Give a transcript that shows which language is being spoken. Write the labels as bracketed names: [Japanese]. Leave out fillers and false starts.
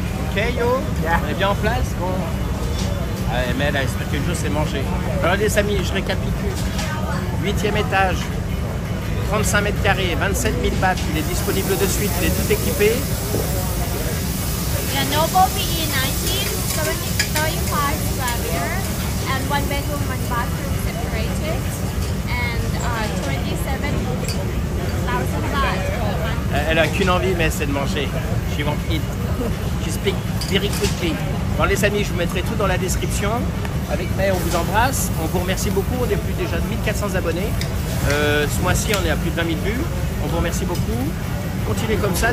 [French] Ok, yo. Yeah. On est bien en place, bon. Ouais, mais là, j'espère que le jour c'est manger. Alors les amis, je récapitule. 8e étage, 35 mètres carrés, 27 000 bahts. Il est disponible de suite, il est tout équipé. Le Noble BE 1935 [English] square meter, and 1 bedroom, 1 bathroom separated, and 27,000 bahts. [French] Elle a qu'une envie, mais c'est de manger. Je suis [English] very quickly. [French] Bon les amis, je vous mettrai tout dans la description. Avec May, on vous embrasse. On vous remercie beaucoup. On est plus déjà de 1400 abonnés. Ce mois-ci, on est à plus de 20 000 vues. On vous remercie beaucoup. Continuez comme ça.